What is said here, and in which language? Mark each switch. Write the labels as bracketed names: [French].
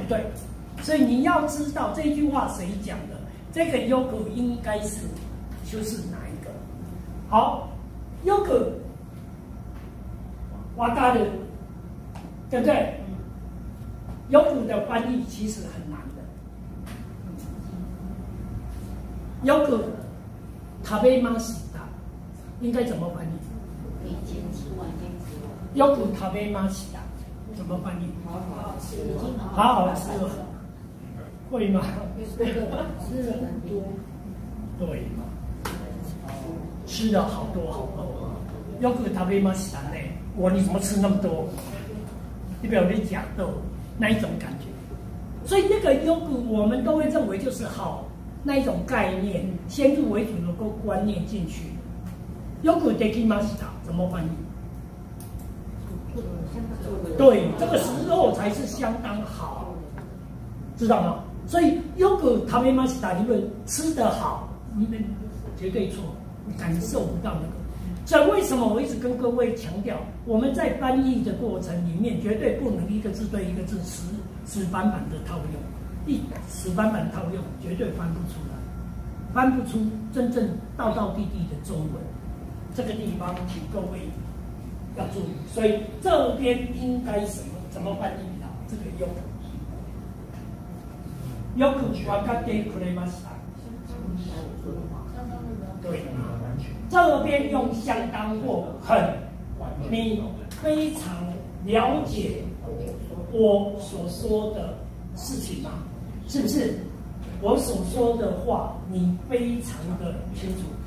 [Chinese] 不对，所以你要知道这句话谁讲的，这个 yoku 应该是修饰哪一个？好。 [Japanese] よくわかる， [Chinese] 对不对？よく的翻译其实很难的。 [Japanese] よく食べました， [Chinese] 应该怎么翻译？ [Japanese] よく食べました， [Chinese] 怎么翻译？好好吃，好好吃，会吗？吃了很多，对吗？吃了好多好多。 [Japanese] よく食べましたね。 [Chinese] 我你怎么吃那么多？你表示假逗那一种感觉。所以那个よく我们都会认为就是好那一种概念，先入为主的观念进去。 [Japanese] よくできました [Chinese] 怎么翻译？对，这个时候才是相当好，知道吗？所以 [Japanese] よく食べました， [Chinese] 你们吃得好，你们绝对错，你感受不到那个。所以为什么我一直跟各位强调，我们在翻译的过程里面绝对不能一个字对一个字死板板的套用，一死板板套用，绝对翻不出来，翻不出真正道道地地的中文。这个地方请各位要注意，所以这边应该什么怎么翻译呢？这个用 [Japanese] よく分かってくれました。对，这边用相当或很，你非常了解我所说的事情吗？是不是？我所说的话你非常的清楚。